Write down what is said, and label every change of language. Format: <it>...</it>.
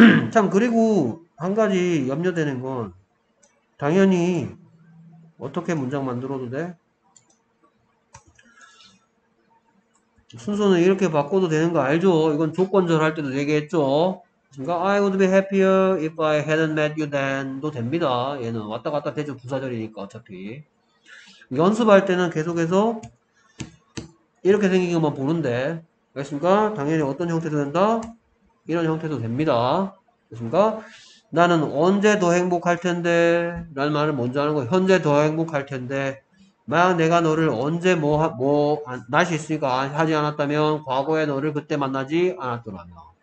<ko>참 그리고 한 가지 염려되는 건 당연히 어떻게 문장 만들어도 돼? 순서는 이렇게 바꿔도 되는 거 알죠? 이건 조건절할 때도 얘기했죠.</ko> <en>I would be happier if I hadn't met you then</en> <ko>도 됩니다. 얘는 왔다 갔다 되죠. 부사절이니까 어차피. 연습할 때는 계속해서 이렇게 생긴 것만 보는데. 알겠습니까? 당연히 어떤 형태도 된다? 이런 형태도 됩니다. 알겠습니까? 나는 언제 더 행복할 텐데? 라는 말을 먼저 하는 거. 현재 더 행복할 텐데. 만약 내가 너를 언제 날씨 있으니까 하지 않았다면 과거에 너를 그때 만나지 않았더라면.</ko>